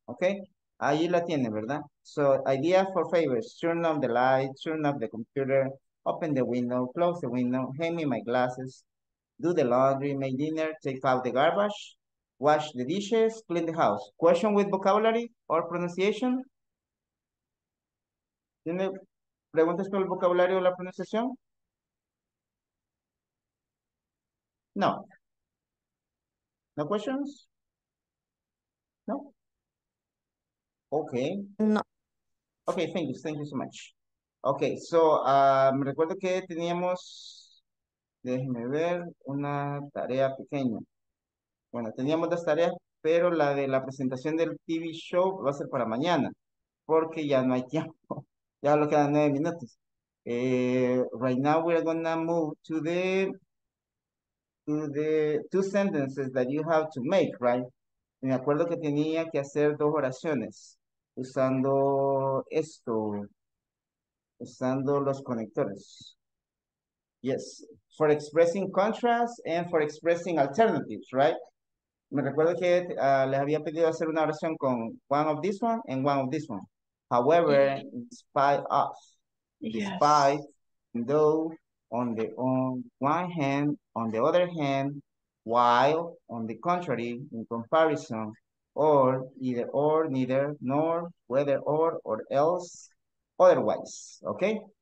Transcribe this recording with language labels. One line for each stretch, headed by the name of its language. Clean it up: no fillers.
English: Okay.
Spanish: Ahí la tiene, ¿verdad?
English: So idea for favors, turn on the light, turn off the computer, open the window, close the window, hand me my glasses, do the laundry, make dinner, take out the garbage, wash the dishes, clean the house. Question with vocabulary or pronunciation?
Spanish: ¿Tiene preguntas con el vocabulario o la pronunciación?
English: No. No questions? No? Okay. No. Okay, thank you so much.
Spanish: Okay, so me recuerdo que teníamos, déjeme ver, una tarea pequeña. Bueno, teníamos dos tareas, pero la de la presentación del TV show va a ser para mañana, porque ya no hay tiempo. Ya lo quedan 9 minutos.
English: Right now we're gonna move to the two sentences that you have to make, right?
Spanish: Me acuerdo que tenía que hacer dos oraciones usando esto, usando los conectores.
English: Yes, for expressing contrast and for expressing alternatives, right?
Spanish: Me recuerdo que les había pedido hacer una oración con
English: one of this one
Spanish: and one of this one.
English: However, in spite of, despite, though, on the one hand, on the other hand, while, on the contrary, in comparison, or, either or, neither, nor, whether or else, otherwise, okay?